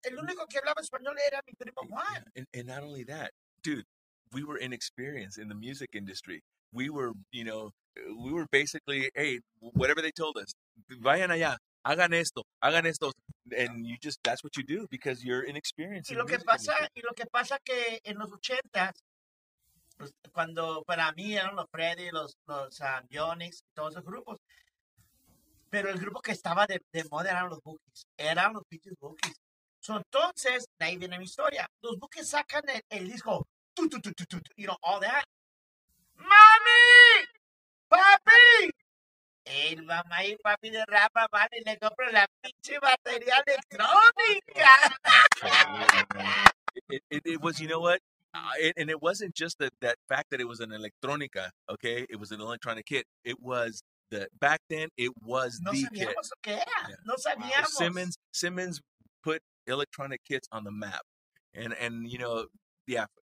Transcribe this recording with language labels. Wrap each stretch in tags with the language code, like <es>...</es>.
<es>El único que hablaba español era mi primo Juan.</es> <en>And not only that, dude, we were inexperienced in the music industry. We were, you know, we were basically, hey, whatever they told us,</en> <es>vayan allá, hagan esto.</es> <en>And you just, that's what you do because you're inexperienced.</en> <es>Y lo que pasa que en los ochentas, pues, cuando para mí eran los Freddy, los Yonix, todos esos grupos, pero el grupo que estaba de moda eran los Bukis. Eran los pinches Bukis. So, entonces, de ahí viene mi historia. Los Bukis sacan el disco, tu,</es> <en>you know, all that.</en> <es>¡Mami! ¡Papi! El mamá y papi de Rafa van y le compran la pinche batería electrónica.</es> <en>It was, you know what? And it wasn't just that fact that it was an electronica, okay? It was an electronic kit. It was the, back then, it was</en> <es>no</es> <en>the</en> <es>sabíamos</es> <en>kit.</en> <es>Lo que era. Yeah. No sabíamos. Wow.</es> <en>Simmons put electronic kits on the map. And you know, yeah.</en>